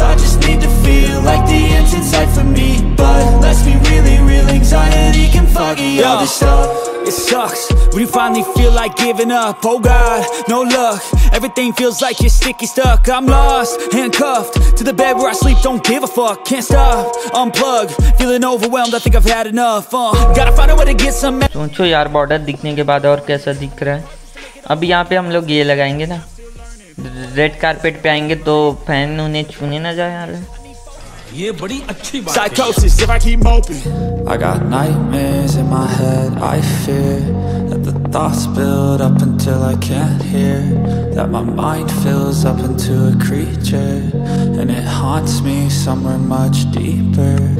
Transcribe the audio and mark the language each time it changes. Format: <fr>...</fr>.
<en>I just need to feel like the end's in sight for me. But let's be really real, anxiety can foggy all this stuff. It sucks when you finally feel like giving up. Oh God, no luck. Everything feels like you're sticky stuck. I'm lost, handcuffed to the bed where I sleep. Don't give a fuck, can't stop, unplug. Feeling overwhelmed, I think I've had enough. Gotta find a way to get some.</en> <hi>सोचो यार border दिखने के बाद और कैसा दिख रहा है। अब यहाँ पे हम लोग ये लगाएंगे ना, रेड कारपेट पे आएंगे तो फैन उन्हें छूने ना जाए यार। ये बड़ी अच्छी बात है।</hi> <en>Psychosis, if I keep moping. I got nightmares in my head. I fear that the thoughts build up until I can't hear. That my mind fills up into a creature and it haunts me somewhere much deeper.</en>